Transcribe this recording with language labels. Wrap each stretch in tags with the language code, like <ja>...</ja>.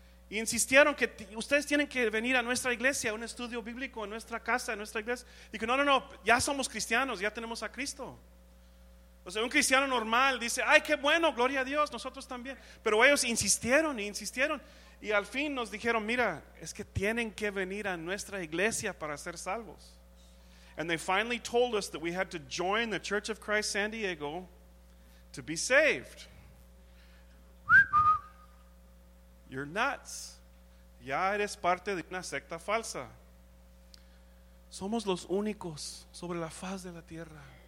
<es>Y insistieron que ustedes tienen que venir a nuestra iglesia, a un estudio bíblico, en nuestra casa, en nuestra iglesia. Y que no, ya somos cristianos, ya tenemos a Cristo. O sea, un cristiano normal dice, ay, qué bueno, gloria a Dios, nosotros también. Pero ellos insistieron y insistieron. Y al fin nos dijeron, mira, es que tienen que venir a nuestra iglesia para ser salvos.</es> <en>And they finally told us that we had to join the Church of Christ San Diego to be saved. You're nuts.</en> <es>Ya eres parte de una secta falsa. Somos los únicos sobre la faz de la tierra.</es>